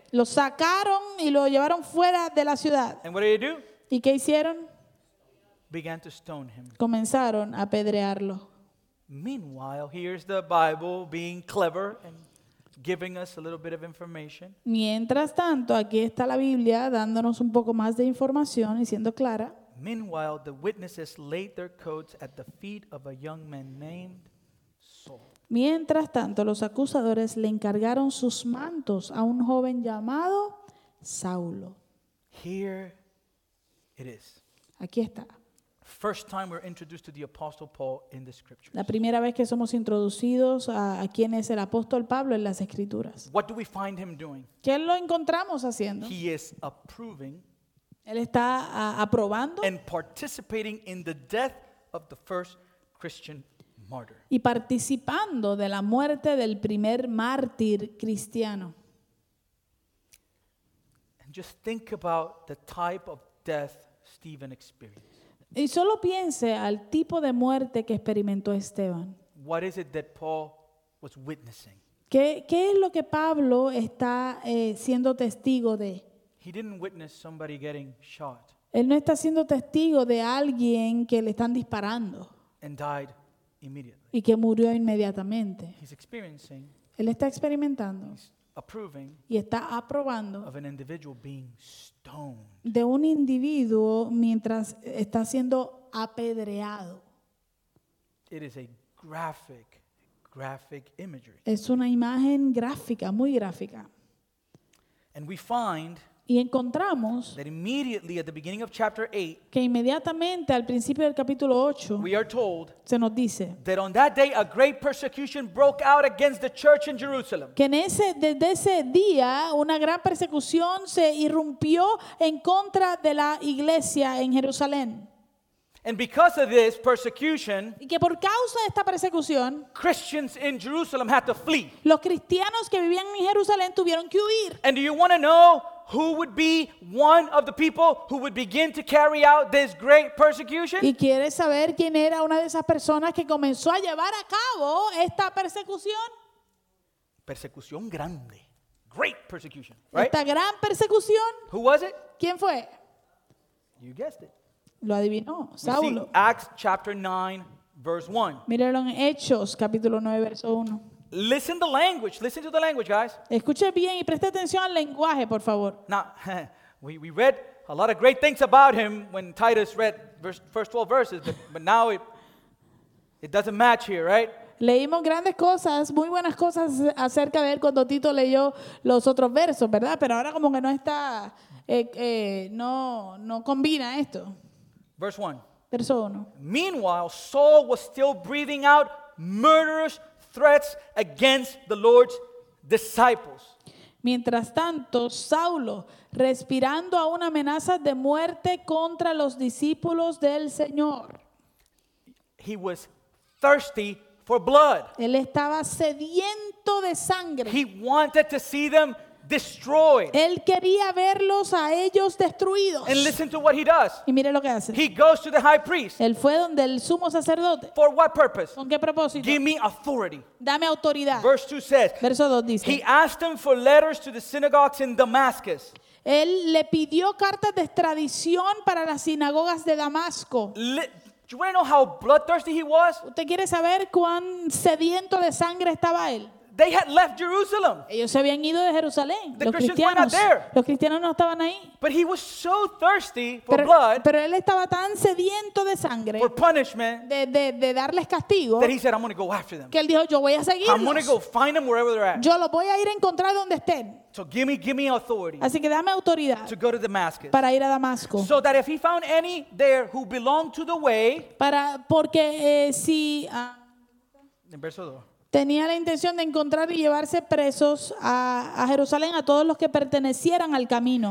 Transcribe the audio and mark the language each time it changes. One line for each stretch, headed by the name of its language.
Spanish: Lo sacaron y lo llevaron fuera de la ciudad.
English: And what did they do?
Spanish: ¿Y qué hicieron?
English: Began to stone him.
Spanish: Comenzaron a apedrearlo.
English: Meanwhile, here's the Bible being clever and giving us a little bit of information.
Spanish: Mientras tanto, aquí está la Biblia dándonos un poco más de información y siendo clara.
English: Meanwhile, the witnesses laid their coats at the feet of a young man named
Spanish: Mientras tanto, los acusadores le encargaron sus mantos a un joven llamado Saulo.
English: Here it is.
Spanish: Aquí está.
English: First time we're introduced to the Apostle Paul in the Scriptures.
Spanish: La primera vez que somos introducidos a quién es el apóstol Pablo en las Escrituras.
English: What do we find him doing?
Spanish: ¿Qué lo encontramos haciendo?
English: He is approving.
Spanish: Él está aprobando.
English: And participating in the death of the first Christian martyr.
Spanish: Y participando de la muerte del primer mártir cristiano.
English: And just think about the type of death Stephen experienced.
Spanish: Y solo piense al tipo de muerte que experimentó Esteban.
English: What is it that Paul was witnessing?
Spanish: ¿Qué es lo que Pablo está siendo testigo de?
English: He didn't witness somebody getting shot.
Spanish: Él no está siendo testigo de alguien que le están disparando.
English: And died immediately.
Spanish: Y que murió inmediatamente.
English: He's experiencing.
Spanish: Él está experimentando.
English: He's approving.
Spanish: Y está aprobando.
English: Of an individual being stoned.
Spanish: De un individuo mientras está siendo apedreado.
English: It is a graphic imagery.
Spanish: Es una imagen gráfica, muy gráfica.
English: And we find.
Spanish: Y encontramos
English: that immediately at the beginning of chapter 8,
Spanish: que inmediatamente al principio del capítulo 8,
English: we are told,
Spanish: se nos dice,
English: that on that day a great persecution broke out against the church in Jerusalem.
Spanish: Que desde ese día una gran persecución se irrumpió en contra de la iglesia en Jerusalén.
English: And because of this persecution,
Spanish: y que por causa de esta persecución,
English: Christians in Jerusalem had to flee.
Spanish: Los cristianos que vivían en Jerusalén tuvieron que huir.
English: And do you want to know who would be one of the people who would begin to carry out this great persecution?
Spanish: ¿Y quieres saber quién era una de esas personas que comenzó a llevar a cabo esta persecución? Persecución grande.
English: Great persecution, right?
Spanish: Esta gran persecución.
English: Who was it?
Spanish: ¿Quién fue?
English: You guessed it.
Spanish: Lo adivinó, Saulo.
English: See, Acts chapter 9, verse 1.
Spanish: Míralo en Hechos, capítulo 9, verso 1.
English: Listen to the language. Listen to the language, guys.
Spanish: Escuche bien y preste atención al lenguaje, por favor.
English: Now, we read a lot of great things about him when Titus read verse, first 12 verses, but now it doesn't match here, right?
Spanish: Leímos grandes cosas, muy buenas cosas acerca de él cuando Tito leyó los otros versos, ¿verdad? Pero ahora como que no está, no combina esto.
English: Verse 1.
Spanish: Verso 1.
English: Meanwhile, Saul was still breathing out murderous threats against the Lord's disciples.
Spanish: Mientras tanto, Saulo, respirando aún amenazas de muerte contra los discípulos del Señor.
English: He was thirsty for blood.
Spanish: Él estaba sediento de sangre.
English: He wanted to see them destroyed.
Spanish: Él quería verlos a ellos destruidos.
English: And listen to what he does.
Spanish: Y mire lo que hace.
English: He goes to the high priest.
Spanish: Él fue donde el sumo sacerdote.
English: For what purpose?
Spanish: ¿Con qué propósito?
English: Give me authority.
Spanish: Dame autoridad.
English: Verse 2 says.
Spanish: Verso 2 dice.
English: He asked him for letters to the synagogues in Damascus.
Spanish: Él le pidió cartas de extradición para las sinagogas de Damasco.
English: Do you want to know how bloodthirsty he was?
Spanish: ¿Usted quiere saber cuán sediento de sangre estaba él?
English: They had left Jerusalem.
Spanish: Ellos se habían ido de Jerusalén.
English: The
Spanish: los
English: Christians
Spanish: cristianos,
English: were not there.
Spanish: Los cristianos no estaban ahí.
English: But he was so thirsty for blood.
Spanish: Pero él estaba tan sediento de sangre.
English: For punishment.
Spanish: De darles castigo.
English: That he said, I'm going to go after them.
Spanish: Que él dijo, yo voy a seguirlos.
English: I'm going to go find them wherever they're at.
Spanish: Yo los voy a ir a encontrar donde estén.
English: So give me authority.
Spanish: Así que dame autoridad.
English: To go to Damascus.
Spanish: Para ir a Damasco.
English: So that if he found any there who belonged to the way.
Spanish: Para porque si. En verso 2. Tenía la intención de encontrar y llevarse presos a Jerusalén a todos los que pertenecieran al camino.